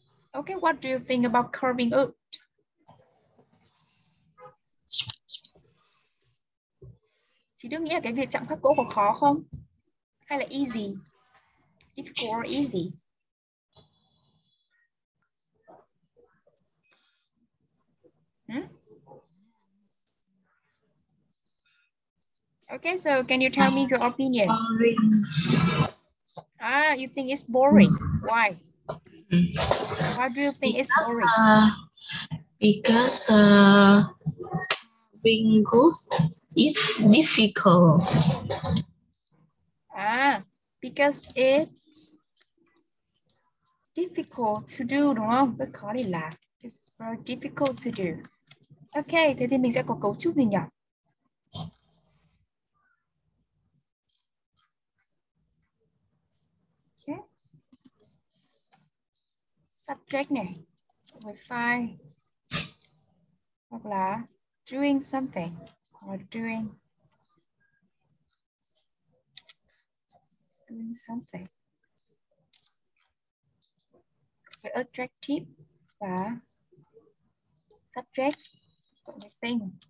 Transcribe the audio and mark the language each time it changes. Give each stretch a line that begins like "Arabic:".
English: Okay, what do you think about carving oak?
Vietnamese: Chị Đức nghĩ là cái việc chạm khắc gỗ có khó không? Hay là
English: easy? Difficult or easy? Okay, so can you tell me your opinion? Ah, you think it's boring. Why? Why do you think it's boring? Because carving wood is difficult. Ah, because it's difficult to do,
Vietnamese: đúng không? Tôi có thể là
English: it's very difficult to do.
Vietnamese: Okay, thế thì mình sẽ có cấu trúc gì nhỉ?
English: Subject này, with five,
Vietnamese: hoặc là
English: doing something, or doing something, the adjective và subject, the thing.